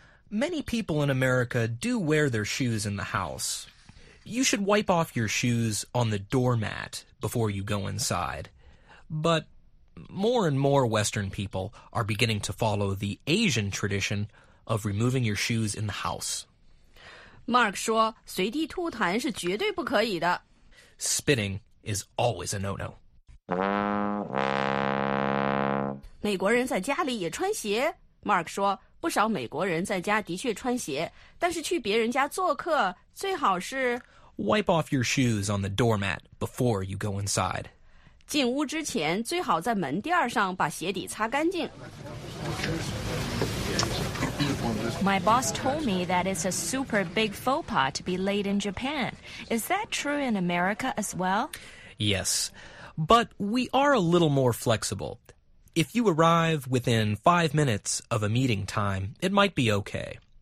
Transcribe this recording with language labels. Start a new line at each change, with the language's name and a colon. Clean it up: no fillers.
English: Many people in America do wear their shoes in the house. You should wipe off your shoes on the doormat before you go inside. But more and more Western people are beginning to follow the Asian tradition of removing your shoes in the house.
Chinese: Mark 说随地吐痰是绝对不可以的。
English: Spitting is always a no-no.
Chinese: 美国人在家里也穿鞋。 Mark 说不少美国人在家的确穿鞋，但是去别人家做客最好是
English: Wipe off your shoes on the doormat before you go inside.
Chinese: 进屋之前最好在门垫上把鞋底擦干净。
English: My boss told me that it's a super big faux pas to be late in Japan. Is that true in America as well? Yes, but we are a little more flexible. If you arrive within 5 minutes of a meeting time, it might be okay.